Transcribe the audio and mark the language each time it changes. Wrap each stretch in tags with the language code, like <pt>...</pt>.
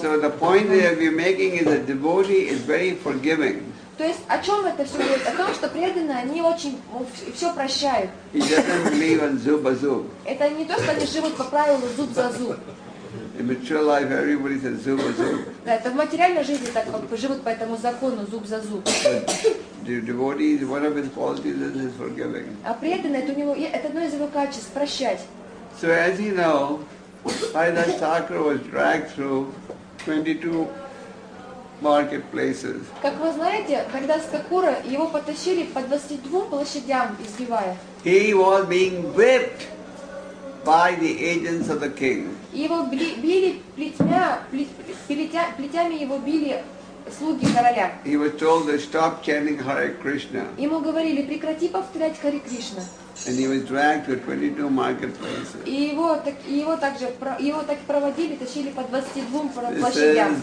<en>So the point that we're making is that devotee is very forgiving.</en> <ru>То есть о чем это все говорит? О том, что преданные, они очень все прощают.</ru> <en>He doesn't believe in</en> <ru>zub a zub. Это не то, что они живут по правилу зуб за зуб.</ru> <en>In material life, everybody says</en> <ru>зуб за зуб. Да, это в материальной жизни так живут по этому закону зуб за зуб.</ru> <en>The devotee, one of his qualities is his forgiving.</en> <ru>А преданный, это у него, это одно из его качеств, прощать.</ru> <en>So as you know, Haridas Thakur was dragged through 22 marketplaces.</en> <ru>Как вы знаете, Haridas Thakur, его потащили по 22 площадям, избивая.</ru> <en>He was being whipped by the agents of the king.</en> <ru>Его били плетями его били слуги короля.</ru> <en>He was told to stop chanting Hare Krishna.</en> <ru>Ему говорили прекрати повторять Hare Krishna.</ru> <en>And he was dragged to 22 marketplaces.</en> <ru>Его так проводили, тащили по 22 площадям.</ru>